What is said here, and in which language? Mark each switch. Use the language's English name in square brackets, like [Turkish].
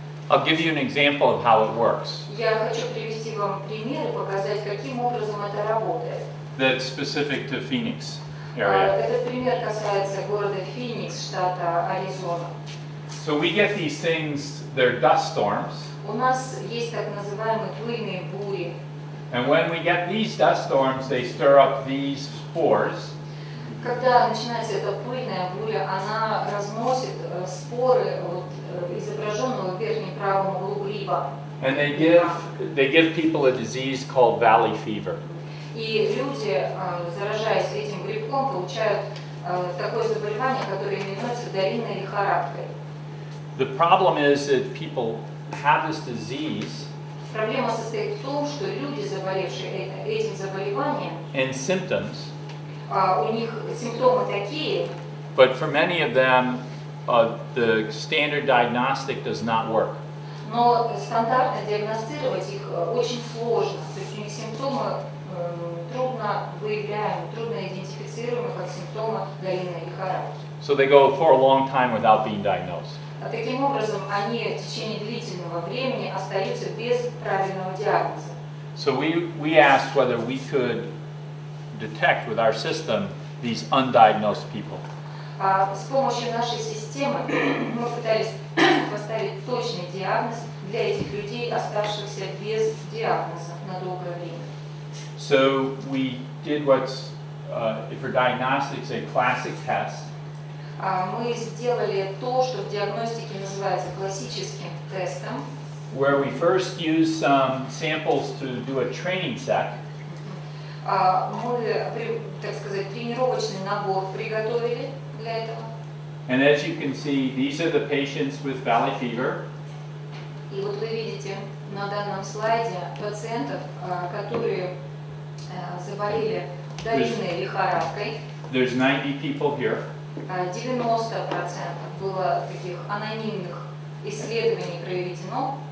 [English] I'll give you an example of how it works. [Russian] Я хочу привести вам пример и показать, каким образом это работает. [English] That's specific to Phoenix area. [Russian] Этот пример касается города Феникс, штата Аризона. [English] So we get these things, they're dust storms. [Russian] У нас есть так называемые пыльные бури. [English] And when we get these dust storms, they stir up these spores. [Russian] Когда начинается эта пыльная буря, она разносит споры, вот, изображенного в верхнем правом углу гриба. [English] And they give people a disease called valley fever. [Russian] И люди, заражаясь этим грибком, получают такое заболевание, которое именуется долинной лихорадкой. [English] The problem is that people have this disease. [Russian] Проблема состоит в том, что люди, заболевшие этим заболеванием, [English] and symptoms. [Russian] У них симптомы такие. [English] But for many of them, the standard diagnostic does not work. [Russian] Но стандартно диагностировать их очень сложно. То есть у них симптомы трудно выявляемы, трудно идентифицируемы как симптомы галина и характер. [English] So they go for a long time without being diagnosed. [Russian] Таким образом, они в течение длительного времени остаются без правильного диагноза. [English] So we asked whether we could detect with our system these undiagnosed people. [Russian] С помощью нашей системы мы пытались поставить точный диагноз для этих людей, оставшихся без диагноза на долгое время. [English] So we did what's, for diagnostics, a classic test. [Russian] Мы сделали то, что в диагностике называется классическим тестом. [English] Where we first used some samples to do a training set. [Russian] Мы, так сказать, тренировочный набор приготовили для этого. [English] And as you can see, these are the patients with valley fever. [Russian] И вот вы видите на данном слайде пациентов, которые заболели долинной лихорадкой. [English] There's 90 people here. [Russian] 90% было таких анонимных исследований проведено.